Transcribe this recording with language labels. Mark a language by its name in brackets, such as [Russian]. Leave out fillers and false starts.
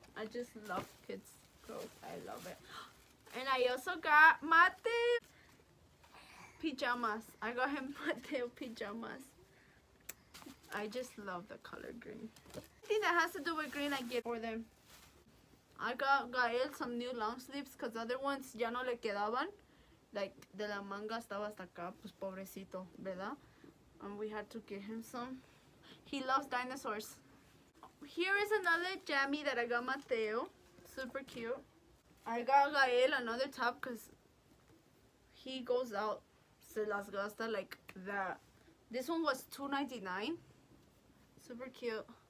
[English] I just love kids' clothes. I love it. And I also got Mateo pajamas. I got him Mateo pajamas. I just love the color green. Anything that has to do with green, I get for them. I got Gael some new long sleeves because other ones [Spanish] ya no le quedaban. Like, de la manga estaba hasta acá, pues pobrecito, ¿verdad? [English] And we had to get him some. He loves dinosaurs. Here is another jammy that I got Mateo. Super cute. I got Gael another top because he goes out, [Spanish] se las gasta [English] like that. This one was $2.99. Super cute.